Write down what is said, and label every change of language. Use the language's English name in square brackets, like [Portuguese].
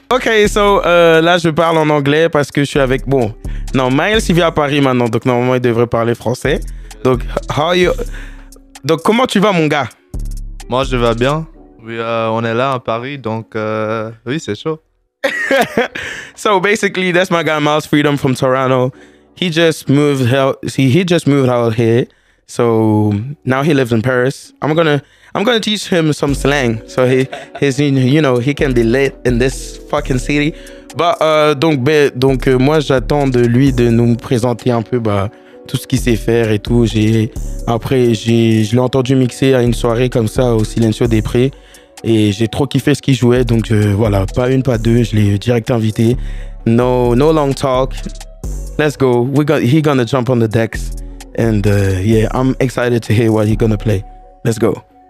[French] Ok, so là, je parle en anglais parce que je suis avec... Bon, non, Miles, il vit à Paris maintenant, donc normalement, il devrait parler français. Donc, [English] how you... [French] donc comment tu vas, mon gars ? Moi, je vais bien. Oui, on est là à Paris, donc oui, c'est chaud. [English] So basically, that's my guy Miles Freedom from Toronto. He just moved out here. So now he lives in Paris. I'm gonna teach him some slang, so he's in, you know, he can be lit in this fucking city. [French] Donc moi j'attends de lui de nous présenter un peu bah tout ce qu'il sait faire et tout. Je l'ai entendu mixer à une soirée comme ça au Silencio des Prés. Et j'ai trop kiffé ce qu'il jouait, donc voilà, pas une, pas deux, je l'ai direct invité. [English] No long talk, let's go, he's gonna jump on the decks, and yeah, I'm excited to hear what he's gonna play, let's go.